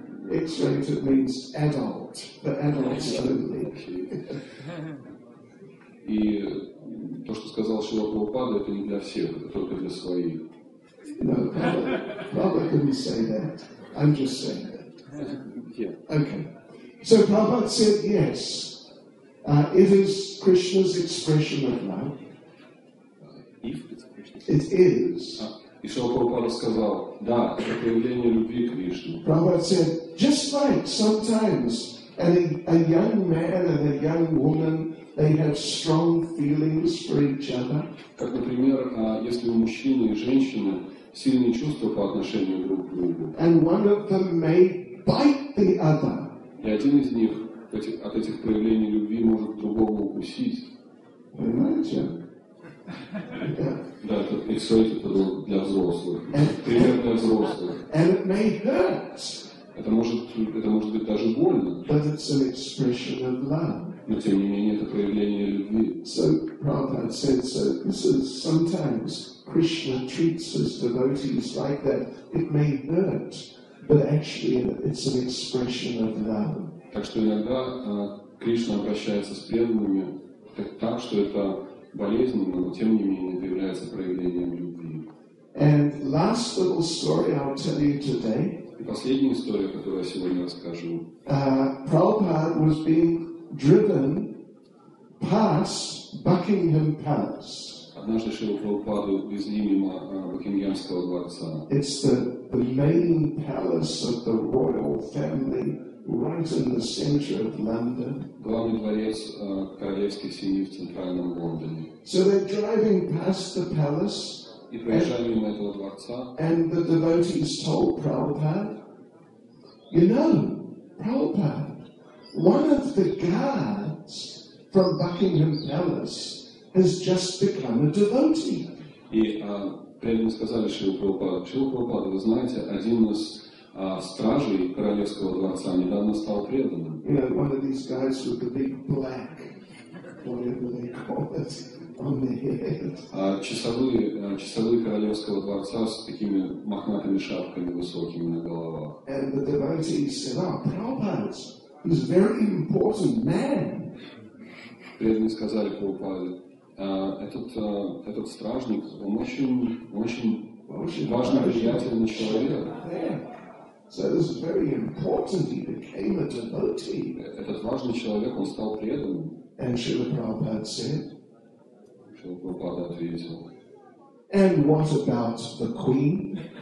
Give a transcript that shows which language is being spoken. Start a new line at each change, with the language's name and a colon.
English: X-rated means adult, but adults only.
Russian: И то, что сказал Шрила Прабхупада, это не для всех, это только для своих.
English: No, Prabhupada couldn't say that. I'm just saying that. Okay. So Prabhupada said, yes, it is Krishna's expression of love. It is.
Russian: И Шрила Прабхупада сказал, да, это проявление любви к Кришне.
English: Prabhupada said, just like sometimes a young man and a young woman, they have strong feelings for each other.
Russian: Как, например, если у мужчины и женщины сильные чувства по отношению друг к другу.
English: And one of them may bite the other.
Russian: И один из них от этих проявлений любви может другого укусить. Понимаете? Да, это X-rated для взрослых. Пример для взрослых.
English: And it may hurt.
Russian: Это может быть даже больно.
English: But it's an expression of love.
Russian: Но тем не менее это проявление любви.
English: So Prabhupada said, so this is sometimes Krishna treats his devotees like that. It may hurt, but actually it's an expression of love.
Russian: Так что иногда Кришна обращается с преданными так, что это болезненно, но тем не менее это является проявлением любви.
English: And last little story I'll tell you today.
Russian: И последняя история, которую я сегодня расскажу.
English: Prabhupada was being driven past Buckingham Palace.
Russian: Однажды Шрила Прабхупада везли мимо Букингемского дворца.
English: It's the main palace of the royal family, right in the center of London.
Russian: Главный дворец королевской семьи в центральном Лондоне.
English: So they're driving past the palace.
Russian: И проезжали мимо этого дворца.
English: And the devotees told Prabhupada, you know, Prabhupada, one of the guards from Buckingham Palace has just become a devotee.
Russian: И преданные сказали Шрила Прабхупаду, Шрила Прабхупада, вы знаете, один из стражей королевского дворца недавно стал преданным.
English: You know, one of these guys with the big black, whatever they call it, on their head.
Russian: Часовые королевского дворца с такими мохнатыми шапками высокими на головах.
English: And the devotee said, oh, Prabhupada, he's a very important man.
Russian: Преданные сказали Прабхупаде, этот стражник, он очень важный, влиятельный человек.
English: So this is very important. He became a devotee.
Russian: Этот важный человек, он стал преданным.
English: And Srila Prabhupada said.
Russian: Srila Prabhupada ответил.
English: And what about the queen?